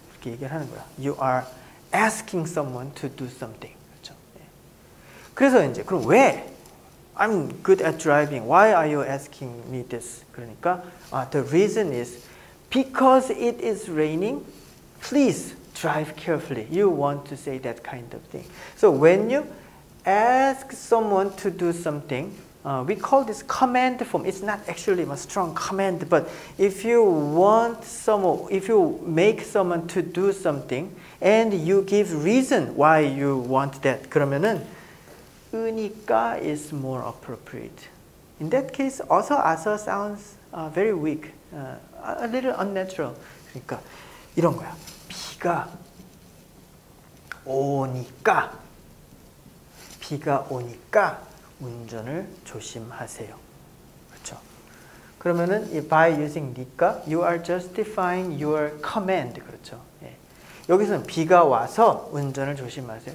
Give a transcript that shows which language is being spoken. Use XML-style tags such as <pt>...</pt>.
<ko>이렇게 얘기를 하는 거야.</ko> <en>You are asking someone to do something.</en> <ko>그렇죠? 그래서 이제, 그럼 왜?</ko> <en>I'm good at driving. Why are you asking me this?</en> <ko>그러니까,</ko> <en>the reason is because it is raining. Please drive carefully. You want to say that kind of thing. So when you ask someone to do something, we call this command form. It's not actually a strong command, but if you want someone, if you make someone to do something, and you give reason why you want that,</en> <ko>그러면은</ko> <en>으니까 is more appropriate. In that case, 어서 아서 sounds very weak, a little unnatural.</en> <ko>그러니까 이런 거야. 비가 오니까, 비가 오니까 운전을 조심하세요. 그렇죠? 그러면은</ko> <en>by using 니까, you are justifying your command.</en> <ko>그렇죠? 예. 여기서는 비가 와서 운전을 조심하세요.</ko>